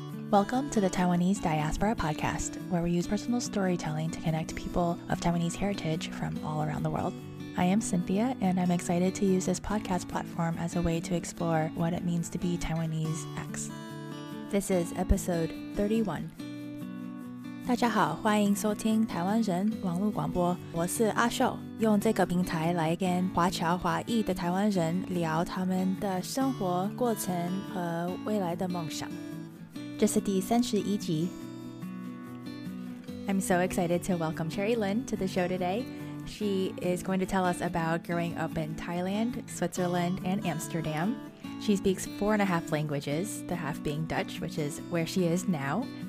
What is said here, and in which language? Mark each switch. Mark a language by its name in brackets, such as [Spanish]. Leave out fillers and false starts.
[English] Welcome to the Taiwanese Diaspora Podcast, where we use personal storytelling to connect people of Taiwanese heritage from all around the world. I am Cynthia, and I'm excited to use this podcast platform as a way to explore what it means to be Taiwanese X. This is episode 31. [Chinese] 大家好，欢迎收听台湾人网络广播，我是阿秀，用这个平台来跟华侨华裔的台湾人聊他们的生活过程和未来的梦想。这是第31集。 [English] I'm so excited to welcome Cherry Lin to the show today. She is going to tell us about growing up in Thailand, Switzerland, and Amsterdam. She speaks 4.5 languages, the half being Dutch, which is where she is now.